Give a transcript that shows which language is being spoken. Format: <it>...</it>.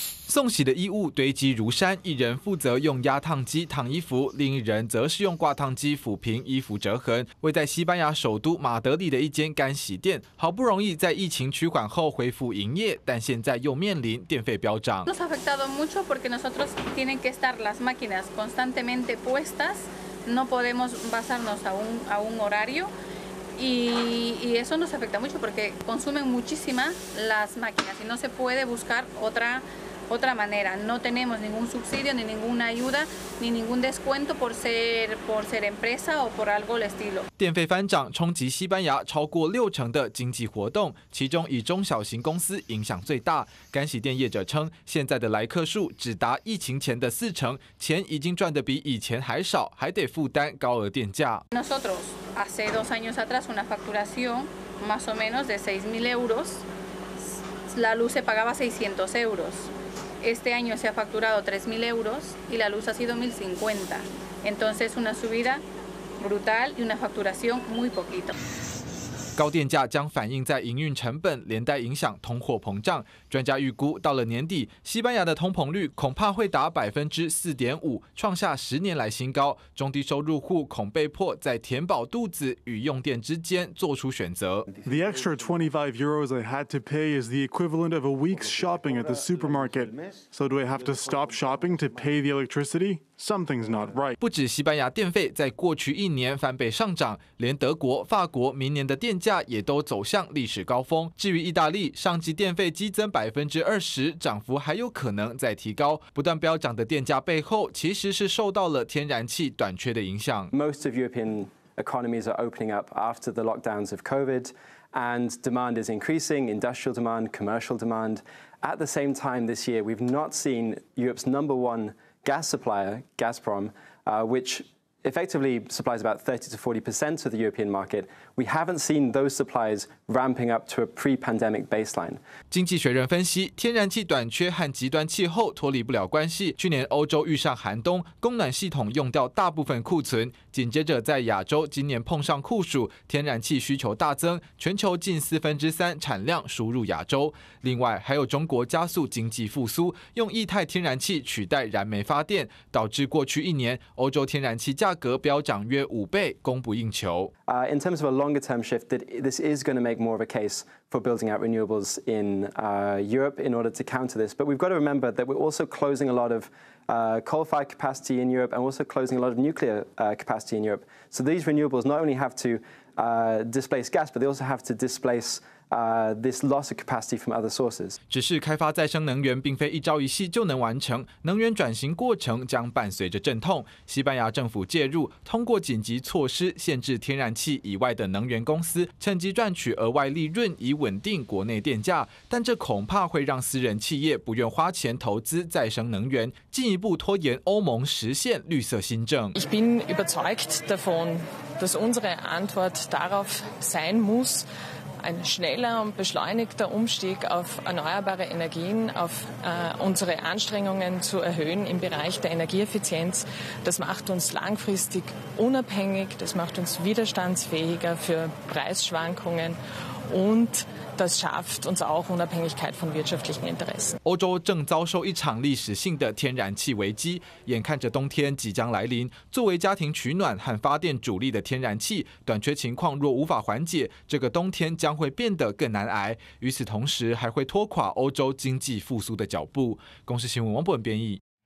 <zh>送洗的衣物堆积如山，一人负责用压烫机烫衣服，另一人则是用挂烫机抚平衣服折痕。位在西班牙首都马德里的一间干洗店，好不容易在疫情趋缓后恢复营业，但现在又面临电费飙涨。</zh> <es>Nos ha afectado mucho porque nosotros tienen que estar las máquinas constantemente puestas, no podemos basarnos a un horario. Y eso nos afecta mucho porque consumen muchísimas las máquinas y no se puede buscar otra manera. No tenemos ningún subsidio, ni ninguna ayuda, ni ningún descuento por ser empresa o por algo del estilo.</es> <zh>电费翻涨冲击西班牙超过六成的经济活动，其中以中小型公司影响最大。干洗店业者称，现在的来客数只达疫情前的四成，钱已经赚得比以前还少，还得负担高额电价。</zh> <es>Nosotros hace dos años atrás una facturación más o menos de 6.000 euros, la luz se pagaba 600 euros. Este año se ha facturado 3.000 euros y la luz ha sido 1.050. Entonces una subida brutal y una facturación muy poquito.</es> <zh>高电价将反映在营运成本，连带影响通货膨胀。专家预估，到了年底，西班牙的通膨率恐怕会达4.5%，创下十年来新高。中低收入户恐被迫在填饱肚子与用电之间做出选择。</zh> <en>The extra 25 euros I had to pay is the equivalent of a week's shopping at the supermarket. So do I have to stop shopping to pay the electricity? Something's not right.</en> <zh>不止西班牙电费在过去一年翻倍上涨，连德国、法国明年的电价也都走向历史高峰。至于意大利，上季电费激增20%，涨幅还有可能再提高。不断飙涨的电价背后，其实是受到了天然气短缺的影响。</zh> <en>Most of European economies are opening up after the lockdowns of COVID, and demand is increasing. Industrial demand, commercial demand. At the same time, this year we've not seen Europe's number one. Gas supplier Gazprom, which effectively supplies about 30-40% of the European market, we haven't seen those supplies ramping up to a pre-pandemic baseline. 经济学人分析，天然气短缺和极端气候脱离不了关系。去年欧洲遇上寒冬，供暖系统用掉大部分库存，紧接着在亚洲今年碰上酷暑，天然气需求大增，全球近3/4产量输入亚洲。另外还有中国加速经济复苏，用液态天然气取代燃煤发电，导致过去一年欧洲天然气价格飙涨约五倍，供不应求。 In terms of a longer term shift, this is going to make more of a case for building out renewables in Europe in order to counter this. But we've got to remember that we're also closing a lot of coal-fired capacity in Europe and also closing a lot of nuclear capacity in Europe. So these renewables not only have to displace gas, but they also have to displace. This loss of capacity from other sources.</en> <zh>只是开发再生能源并非一朝一夕就能完成，能源转型过程将伴随着阵痛。西班牙政府介入，通过紧急措施限制天然气以外的能源公司趁机赚取额外利润，以稳定国内电价。但这恐怕会让私人企业不愿花钱投资再生能源，进一步拖延欧盟实现绿色新政。</zh> <de>Ich bin überzeugt davon, dass unsere Antwort darauf sein muss. Ein schneller und beschleunigter Umstieg auf erneuerbare Energien, auf unsere Anstrengungen zu erhöhen im Bereich der Energieeffizienz, das macht uns langfristig unabhängig, das macht uns widerstandsfähiger für Preisschwankungen und das schafft uns auch Unabhängigkeit von wirtschaftlichen Interessen.</de> <zh>欧洲正遭受一场历史性的天然气危机，眼看着冬天即将来临，作为家庭取暖和发电主力的天然气短缺情况若无法缓解，这个冬天将会变得更难挨，与此同时还会拖垮欧洲经济复苏的脚步。公视新闻王博文编译。</zh>